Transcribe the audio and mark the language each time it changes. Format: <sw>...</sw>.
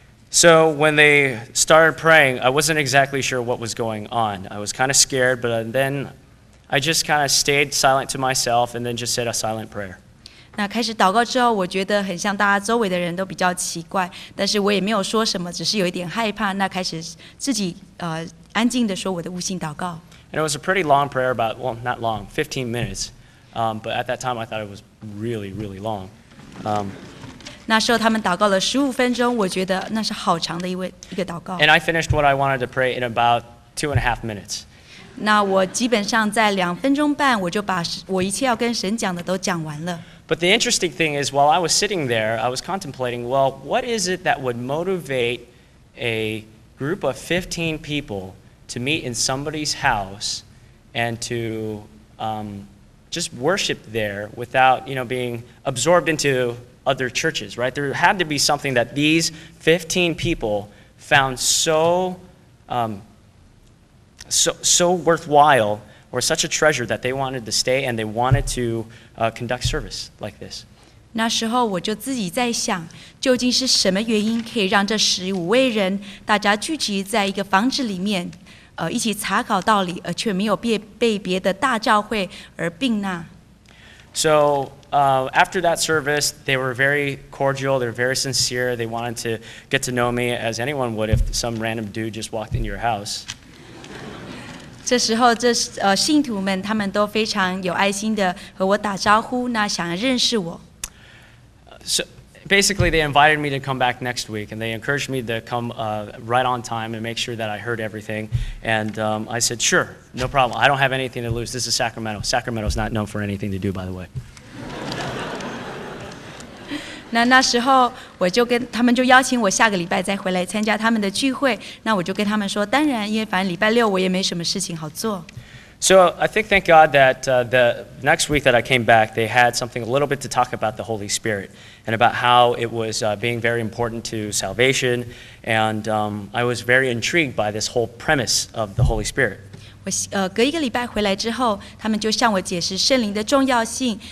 <en>So when they started praying, I wasn't exactly sure what was going on. I was kind of scared, but then I just kind of stayed silent to myself and then just said a silent prayer.</en> <zh>那开始祷告之后，我觉得很像大家周围的人都比较奇怪，但是我也没有说什么，只是有一点害怕。那开始自己安静的说我的悟性祷告。</zh> <en>And it was a pretty long prayer, about, well, not long, 15 minutes. But at that time, I thought it was really, really long.</en> <zh>那时候他们祷告了15分钟，我觉得那是好长的一个祷告。</zh> <en>And I finished what I wanted to pray in about 2.5 minutes.</en> <zh>那我基本上在两分钟半，我就把我一切要跟神讲的都讲完了。</zh> <en>But the interesting thing is, while I was sitting there, I was contemplating, well, what is it that would motivate a group of 15 people to meet in somebody's house and to just worship there without, you know, being absorbed into other churches, right? There had to be something that these 15 people found so worthwhile or such a treasure that they wanted to stay and they wanted to conduct service like this.</en> <zh>那时候我就自己在想，究竟是什么原因可以让这十五位人大家聚集在一个房子里面，一起查考道理，而却没有被别的大教会而并纳。</zh> <en>So after that service, they were very cordial. They were very sincere. They wanted to get to know me as anyone would if some random dude just walked into your house.</en> <zh>这时候这信徒们他们都非常有爱心的和我打招呼，那想要认识我。</zh> <en>So basically, they invited me to come back next week, and they encouraged me to come right on time and make sure that I heard everything. And I said, sure, no problem. I don't have anything to lose. This is Sacramento. Sacramento is not known for anything to do, by the way.</en> <zh>那时候我就跟他们就邀请我下个礼拜再回来参加他们的聚会。那我就跟他们说，当然，因为反正礼拜六我也没什么事情好做。</zh> <en>So I think, thank God, that the next week that I came back, they had something a little bit to talk about the Holy Spirit and about how it was being very important to salvation. And I was very intrigued by this whole premise of the Holy Spirit.</en> <zh>隔一个礼拜回来之后，他们就向我解释圣灵的重要性。</zh>